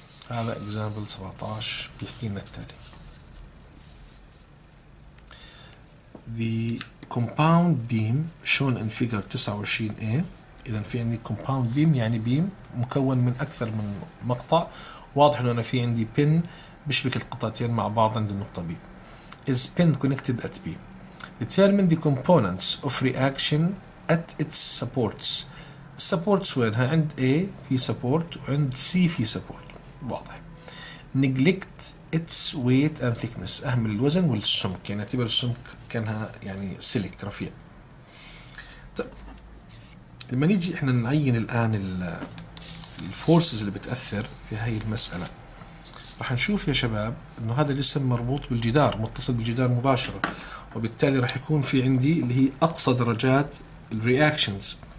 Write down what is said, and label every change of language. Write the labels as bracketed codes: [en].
[ar] هذا اكزامبل 17 بيحكي لنا التالي: [en] The compound beam shown in figure 29A. [ar] اذا في عندي compound beam، يعني beam مكون من اكثر من مقطع، واضح انه انا في عندي pin بشبك القطعتين مع بعض عند النقطة B. [en] Is pin connected at B. Determine the components of reaction at its supports. [ar] Supports وينها؟ عند A في support، وعند C في support، واضح. [en] neglect its weight and thickness، [ar] اهمل الوزن والسمك، يعني اعتبر السمك كانها يعني سلك رفيع. طيب لما نيجي احنا نعين الان الفورسز اللي بتاثر في هاي المساله، راح نشوف يا شباب انه هذا الجسم مربوط بالجدار، متصل بالجدار مباشره، وبالتالي راح يكون في عندي اللي هي اقصى درجات الرياكشنز.